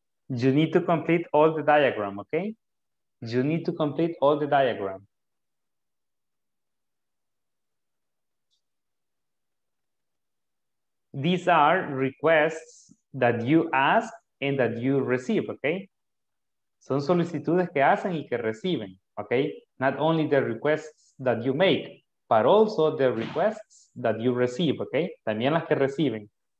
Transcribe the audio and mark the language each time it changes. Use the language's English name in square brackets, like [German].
[English] You need to complete all the diagram, okay? You need to complete all the diagram. These are requests that you ask and that you receive, okay? [Spanish] Son solicitudes que hacen y que reciben, okay? [English] Not only the requests that you make, but also the requests that you receive, okay? [Spanish] También las que reciben.